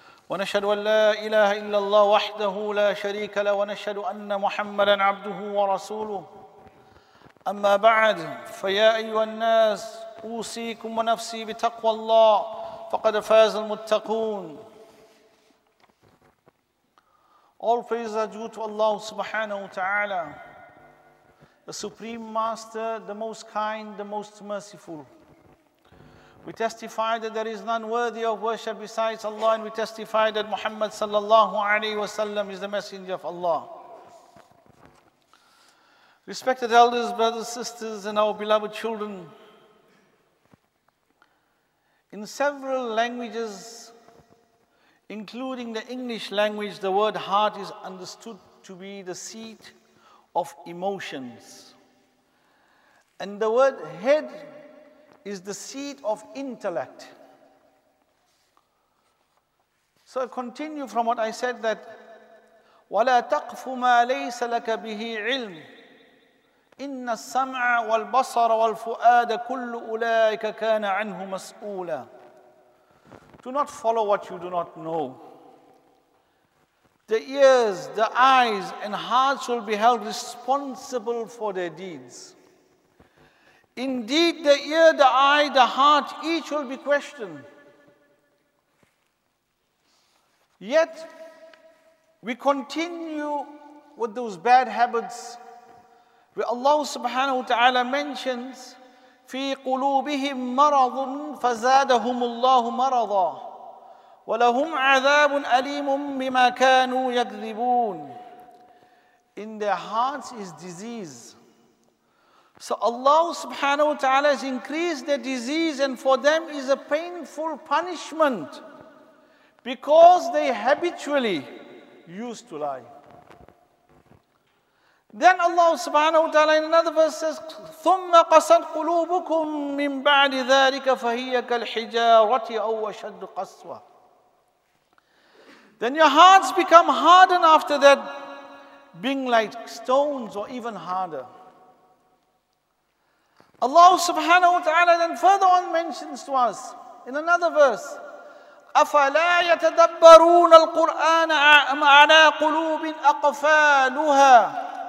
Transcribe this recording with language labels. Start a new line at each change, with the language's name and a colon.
Arabic: ونشهد أن لا إله إلا الله وحده لا شريك له ونشهد أن محمدا عبده ورسوله أما بعد فيا أيها الناس أوصيكم ونفسي بتقوى الله فقد فاز المتقون.
English: All praises are due to Allah subhanahu wa ta'ala, the Supreme Master, the Most Kind, the Most Merciful. We testify that there is none worthy of worship besides Allah, and we testify that Muhammad sallallahu alayhi wa sallam is the Messenger of Allah. Respected elders, brothers, sisters, and our beloved children, in several languages, including the English language, the word heart is understood to be the seat of emotions. And the word head is the seat of intellect. So I continue from what I said, that
Arabic: وَلَا تَقْفُ مَا لَيْسَ لَكَ بِهِ عِلْمٍ إِنَّ السَّمْعَ وَالْبَصَرَ وَالْفُؤَادَ كُلُّ أُولَٰئِكَ كَانَ عَنْهُ مَسْئُولًا.
English: Do not follow what you do not know. The ears, the eyes, and hearts will be held responsible for their deeds. Indeed, the ear, the eye, the heart, each will be questioned. Yet, we continue with those bad habits where Allah subhanahu wa ta'ala mentions,
Arabic: فِي قُلُوبِهِمْ مَرَضٌ فَزَادَهُمُ اللَّهُ مَرَضًا وَلَهُمْ عَذَابٌ أَلِيمٌ بِمَا كَانُوا يَكْذِبُونَ.
English: In their hearts is disease. So Allah subhanahu wa ta'ala has increased their disease, and for them is a painful punishment because they habitually used to lie. Then Allah subhanahu wa ta'ala in another verse says,
Arabic: ثُمَّ قَسَتْ قُلُوبُكُمْ مِنْ بَعْدِ ذَٰلِكَ فَهِيَ كَالْحِجَارَةِ أَوْ أَشَدُّ قَسْوَةً.
English: Then your hearts become hardened after that, being like stones or even harder. Allah subhanahu wa ta'ala then further on mentions to us in another verse,
Arabic: أَفَلَا يَتَدَبَّرُونَ الْقُرْآنَ عَلَىٰ قُلُوبٍ أَقْفَالُهَا.